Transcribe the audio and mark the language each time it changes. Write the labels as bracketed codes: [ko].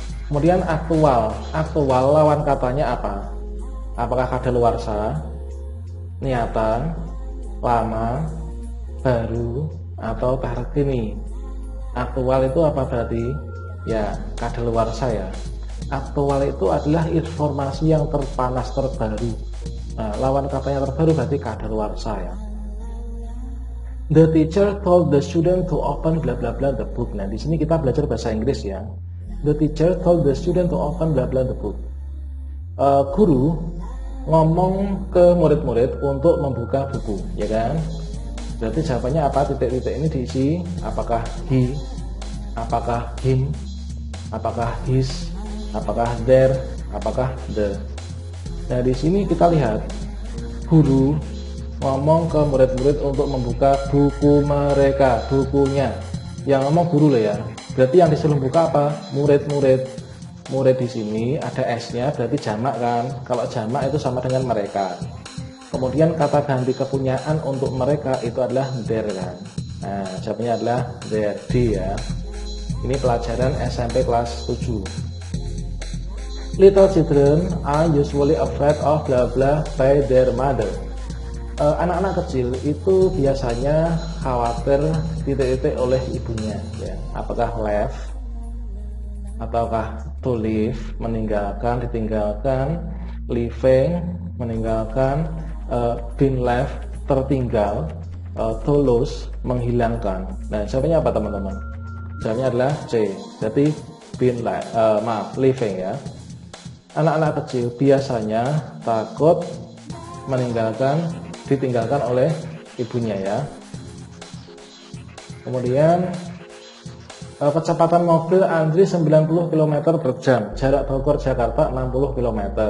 [id] Kemudian aktual. Aktual lawan katanya apa? Apakah kadaluarsa, nyata, lama, baru, atau terkini? Aktual itu apa berarti? Ya, kadaluarsa ya. Aktual itu adalah informasi yang terpanas, terbaru. Nah, lawan katanya terbaru berarti kadaluarsa ya. [en] The teacher told the student to open bla bla bla the book. [id] Nah, di sini kita belajar bahasa Inggris ya. [en] The teacher told the student to open bla bla the book. [id] Guru ngomong ke murid-murid untuk membuka buku, ya kan? Berarti jawabannya apa? Titik-titik ini diisi apakah he, apakah him, apakah his, apakah there, apakah the. Nah, di sini kita lihat guru ngomong ke murid-murid untuk membuka buku mereka, bukunya. Yang ngomong guru loh ya. Berarti yang disuruh buka apa? Murid-murid. Murid di sini ada S-nya, berarti jamak kan. Kalau jamak itu sama dengan mereka. Kemudian kata ganti kepunyaan untuk mereka itu adalah their kan. Nah, jawabannya adalah their, D ya. Ini pelajaran SMP kelas 7. [en] Little children are usually afraid of blah blah by their mother. [id] Anak-anak kecil itu biasanya khawatir titik-titik oleh ibunya ya. Apakah left ataukah to leave, meninggalkan, ditinggalkan, leaving, meninggalkan, been left, tertinggal, to lose, menghilangkan. Nah, jawabannya apa teman-teman? Jawabannya adalah C. Jadi been left, maaf, leaving ya. Anak-anak kecil biasanya takut meninggalkan, ditinggalkan oleh ibunya ya. Kemudian kecepatan mobil antri 90 km per jam, jarak Bogor Jakarta 60 km.